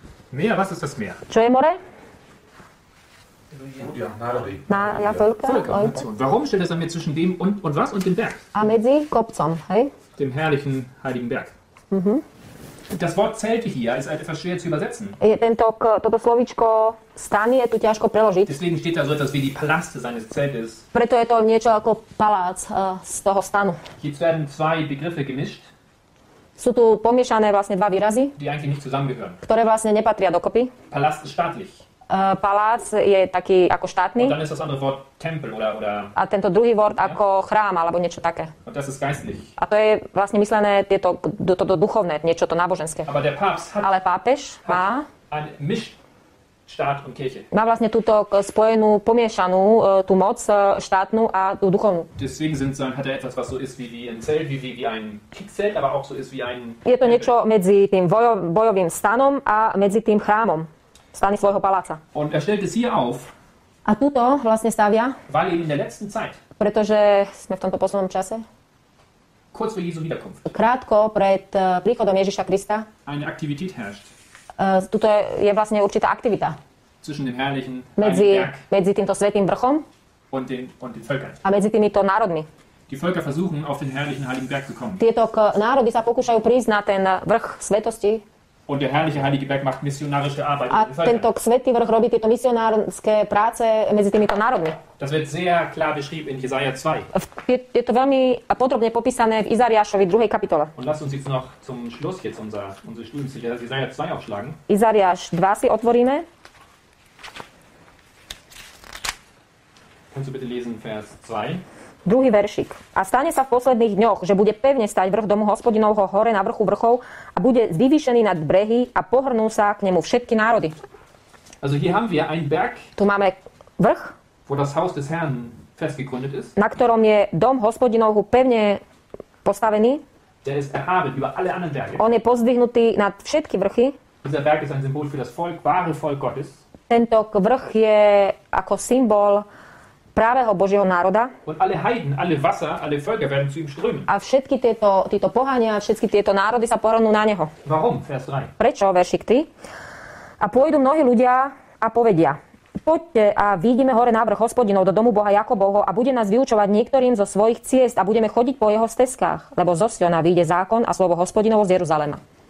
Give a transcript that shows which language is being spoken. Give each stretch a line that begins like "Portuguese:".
German: Meer, was ist das Meer?
Slovak: Čo je more? Ja, národy.
German: Ja, völker. Warum stellt es dann mir zwischen dem und was und dem Berg?
Slovak: A medzi kopcom, hej?
German: Dem herrlichen, heiligen Berg. Mhm. Das Wort Zelte hier ist halt etwas schwer zu übersetzen.
Slovak: Je toto slovíčko stany je tu ťažko preložiť.
German: Deswegen steht da so etwas wie die Paläste seines Zeltes.
Slovak: Preto je to niečo ako palác z toho stanu.
German: Hier werden zwei Begriffe gemischt.
Slovak: Sú tu pomiešané vlastne dva výrazy,
German: die eigentlich nicht zusammengehören.
Slovak: Ktoré vlastne nepatria dokopy.
German: Palast ist staatlich.
Slovak: Palác je taký ako štátny.
German: Und dann ist das andere Wort Tempel oder...
Slovak: A tento druhý
German: Wort
Slovak: ako chrám alebo niečo také.
German: Und das ist geistlich.
Slovak: A to je vlastne myslené tieto to duchovné, niečo to náboženské.
German: Aber der Papst hat,
Slovak: ale pápež má
German: ein Mischstaat und Kirche.
Slovak: Má vlastne túto spojenú, pomiešanú tú moc štátnu a tú duchovnú.
German: Deswegen sind so, hat er etwas, was so ist wie ein Zelt, wie ein Kriegszelt, aber auch so ist wie ein...
Slovak: Je to niečo medzi tým bojovým stanom a medzi tým chrámom. Stany svojho paláca.
German: Und er stellt es hier auf.
Slovak: A túto vlastne stavia.
German: Weil in der letzten Zeit.
Slovak: Pretože sme v tomto poslednom čase.
German: Kurz vor Jesu Wiederkunft.
Slovak: Krátko pred príchodom Ježiša Krista.
German: Eine Aktivität herrscht.
Slovak: Túto je vlastne určitá aktivita.
German: Zwischen dem herrlichen
Slovak: medzi týmto svätým vrchom.
German: Und den Völkern.
Slovak: A medzi týmito národmi.
German: Die Völker versuchen auf den herrlichen heiligen Berg zu kommen.
Slovak: Tieto národy sa pokúšajú prísť na ten vrch svetosti.
German: Und der herrliche heilige Berg macht missionarische Arbeit.
Slovak: A tento svätý vrch robí tieto misionárske práce medzi týmito národmi.
German: Das wird sehr klar beschrieben in Jesaja 2.
Slovak: Je to veľmi podrobne popísané v Izariášovi 2. kapitole.
German: Und lass uns jetzt noch zum Schluss jetzt unsere Studienziele Jesaja 2 aufschlagen.
Slovak: Izariáš 2 si otvoríme.
German: Kannst du bitte lesen Vers 2?
Slovak: Druhý veršik. A stane sa v posledných dňoch, že bude pevne stať vrch domu Hospodinovho hore na vrchu vrchov a bude vyvýšený nad brehy a pohrnú sa k nemu všetky národy.
German: Also hier haben wir einen Berg,
Slovak: tu máme vrch,
German: wo das Haus des Herrn festgegründet ist,
Slovak: na ktorom je dom Hospodinovho pevne postavený.
German: Der ist erhaben über alle anderen Berge.
Slovak: On je pozdvihnutý nad všetky vrchy.
German: Dieser Berg ist ein Symbol für das Volk, wahre Volk Gottes.
Slovak: Tento vrch je ako symbol pravého Božieho národa.
German: Und alle Heiden, alle Wasser, alle Völker werden zu ihm strömen.
Slovak: A všetky tieto pohania, všetky tieto národy sa pohrnú na neho.
German: Warum? Vers 3.
Slovak: Prečo, veršik 3? A pôjdu mnohí ľudia a povedia: poďte a vidíme hore na vrch Hospodinov do domu Boha Jakobovho a bude nás vyučovať niektorým zo svojich ciest a budeme chodiť po jeho stezkách, lebo zo Siona vyjde zákon a slovo Hospodinovo z Jeruzalema.